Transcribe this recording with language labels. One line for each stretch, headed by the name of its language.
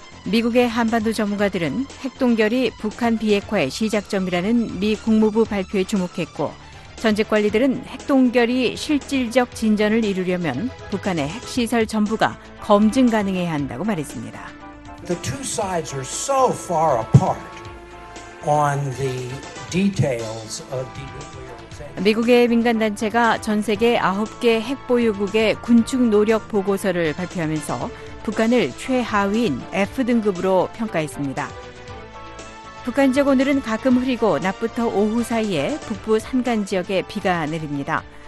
Korean: 미국의 한반도 전문가들은 핵동결이 북한 비핵화의 시작점이라는 미 국무부 발표에 주목했고 전직 관리들은 핵동결이 실질적 진전을 이루려면 북한의 핵시설 전부가 검증 가능해야 한다고 말했습니다.
English: The two sides are so far apart on the details of denuclearization.
Korean: 미국의 민간단체가 전 세계 9개 핵보유국의 군축 노력 보고서를 발표하면서 북한을 최하위인 F등급으로 평가했습니다. 북한 지역 오늘은 가끔 흐리고 낮부터 오후 사이에 북부 산간 지역에 비가 내립니다.